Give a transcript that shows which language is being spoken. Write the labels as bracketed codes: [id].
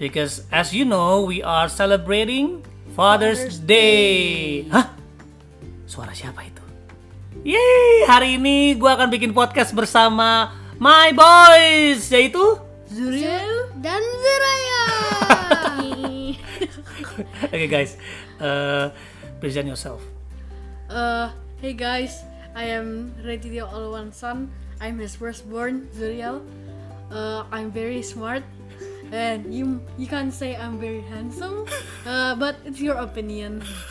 [en] Because as you know, we are celebrating Father's Day. [id] Hah? Suara siapa itu? Yeay, hari ini gua akan bikin podcast bersama [en] my boys, [id] yaitu Zuriel dan Zeraya. [en] Okay guys, present yourself. Hey guys, I am Raditya Oloan's son. I'm his firstborn, Zuriel. I'm very smart, and you can't say I'm very handsome, but it's your opinion.